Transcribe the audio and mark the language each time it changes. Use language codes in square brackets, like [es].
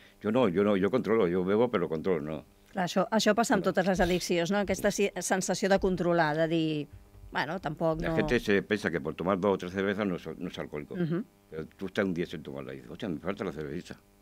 [ca] Jo controlo, jo bebo, però controlo, no. Clar, això passa amb totes les addiccions, no? Aquesta sensació de controlar, de dir... Bueno, tampoc [es] no... La gente se piensa que por tomar dos o tres cervezas no es alcohólico. Pero tú estás un día sin tomarla y dices, hostia, me falta la cervecita.